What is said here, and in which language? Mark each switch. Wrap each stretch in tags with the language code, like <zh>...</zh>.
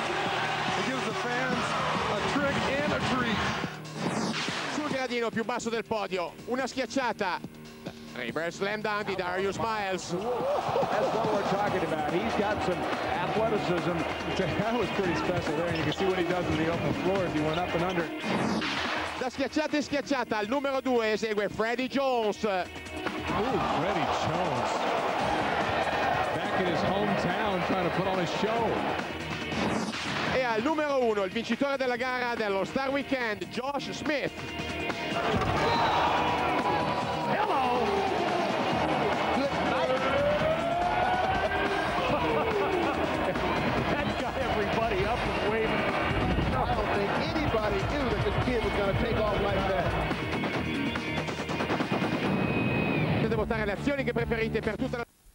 <en>It gives the fans a trick and a treat.</en> <it>Sul gradino più basso del podio, una schiacciata.</it> <en>Reverse slam down di Darius Miles. That's what we're talking about. He's got some athleticism. That was pretty special there. You can see what he does in the open floor if he went up and under.</en> <it>Da schiacciata in schiacciata, al numero 2 esegue Freddie Jones.</it> <en>Ooh, Freddie Jones. Back in his hometown trying to put on a show.</en> <it>E al numero uno, il vincitore della gara dello Star Weekend, Josh Smith.</it> <en>Hello! That guy, everybody, up and waving. I don't think anybody knew that this kid was going to take off like that.</en> <it>Potete votare le azioni che preferite per tutta la...</it>